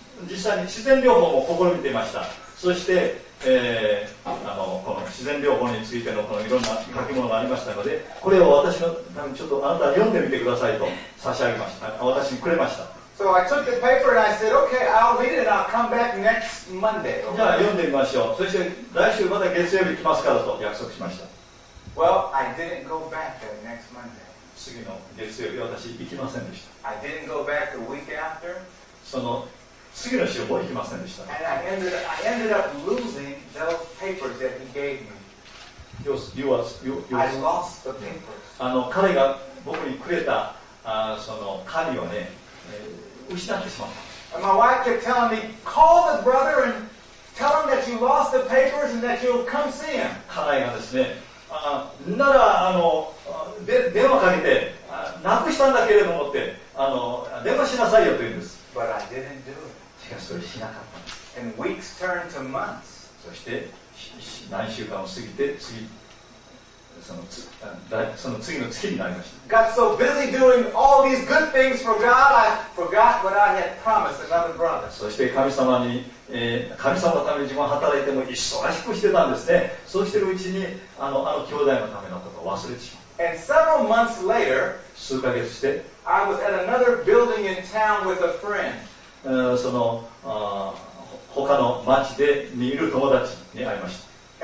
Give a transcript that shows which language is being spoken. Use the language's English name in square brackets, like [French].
[Japanese] 実際に自然療法も試みていました。そして、この自然療法についてのこのいろんな書き物がありましたので、これを私のちょっとあなた読んでみてくださいと差し上げました。私にくれました。 [English] So I took the paper and I said, okay, I'll read it and I'll come back next Monday. [Japanese] じゃあ読んでみましょう。そして来週また月曜日来ますからと約束しました。 [English] Well, I didn't go back the next Monday. [Japanese] 次の月曜日私行きませんでした。 [English] I didn't go back the week after. [Japanese] その次の週も行きませんでした。 [English] And I ended up losing those papers that he gave me. You was. I lost the papers. [Japanese] 彼が僕にくれたその紙をね、失ってしまった。 [English] And my wife kept telling me, call the brother and tell him that you lost the papers and that you'll come see him. [Japanese] 家内がですね、なら電話かけて、なくしたんだけれどもって、電話しなさいよと言うんです。 [English] But I didn't do it. [Japanese] しかしそれしなかった。 [English] And weeks turned to months. [Japanese] そして何週間を過ぎて次。その次の月になりました。 [English] Got so busy doing all these good things for God, I forgot what I had promised another brother. [Japanese] そして神様に、神様のために自分は働いても忙しくしてたんですね。そうしてるうちにあの兄弟のためのことを忘れてしまった。 [English] And several months later, [Japanese] 数ヶ月して、 [English] I was at another building in town with a friend. [Japanese] その他の町でにいる友達に会いました。